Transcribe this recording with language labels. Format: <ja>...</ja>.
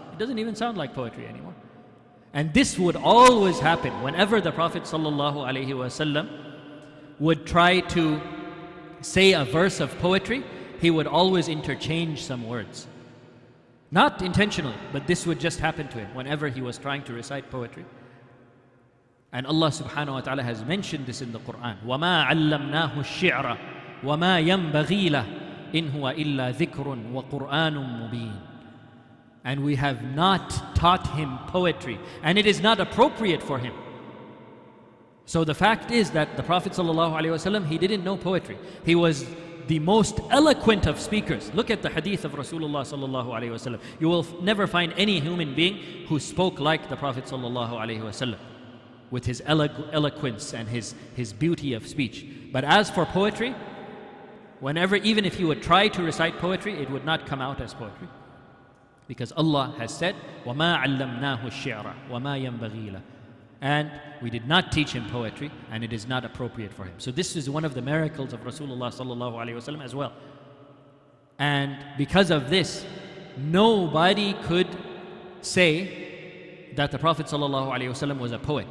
<en>Doesn't even sound like poetry anymore. And this would always happen whenever the Prophet sallallahu alaihi wasallam would try to say a verse of poetry. He would always interchange some words, not intentionally, but this would just happen to him whenever he was trying to recite poetry. And Allah subhanahu wa ta'ala has mentioned this in the Quran,</en> <ar>"وما علمناه الشعر وما ينبغي له إن هو إلا ذكر وقرآن مبين."</ar> <en>And we have not taught him poetry, and it is not appropriate for him. So the fact is that the Prophet sallallahu alaihi wasallam, he didn't know poetry. He was the most eloquent of speakers. Look at the hadith of Rasulullah sallallahu alaihi wasallam. You will never find any human being who spoke like the Prophet sallallahu alaihi wasallam, with his eloquence and his beauty of speech. But as for poetry, whenever, even if he would try to recite poetry, it would not come out as poetry. Because Allah has said,</en> <ar>وَمَا عَلَّمْنَاهُ الشِّعْرَ وَمَا يَنْبَغِي لَهُ.</ar> <en>And we did not teach him poetry, and it is not appropriate for him. So this is one of the miracles of Rasulullah sallallahu alayhi wa sallam as well. And because of this, nobody could say that the Prophet sallallahu alayhi wa sallam was a poet.</en>